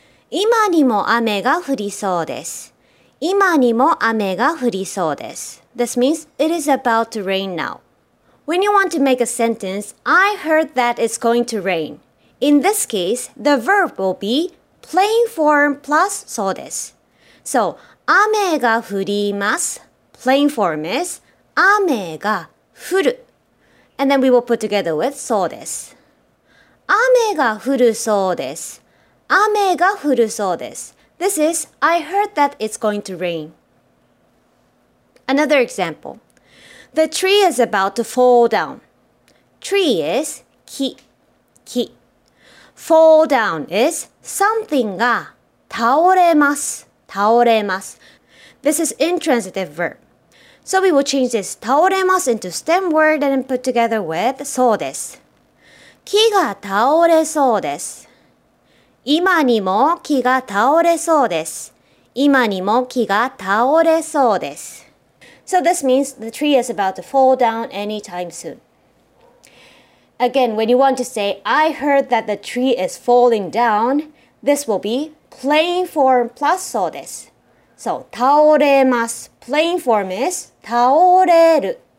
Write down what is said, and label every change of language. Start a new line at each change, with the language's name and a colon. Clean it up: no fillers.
Japanese: 今にも雨が降りそうです。今にも雨が降りそうです。
English: This means it is about to rain now. When you want to make a sentence, I heard that it's going to rain. In this case, the verb will be plain form plus そうです。 So,
Japanese: 雨が降ります。
English: Plain form is
Japanese: 雨が降る。
English: And then we will put together with
Japanese: そうです。雨が降るそうです。雨が降るそうです。
English: This is, I heard that it's going to rain. Another example. The tree is about to fall down. Tree is 木。Fall down is something
Japanese: が倒れます。倒れます。
English: This is intransitive verb. So we will change this 倒れます into stem word and put together with そうです。
Japanese: 木が倒れそうです。今にも木が倒れそうです。今にも木が倒れそうです。
English: So this means the tree is about to fall down anytime soon. Again, when you want to say, I heard that the tree is falling down, this will be plain form plus そうです。 So, 倒れます。Plain form is 倒れる。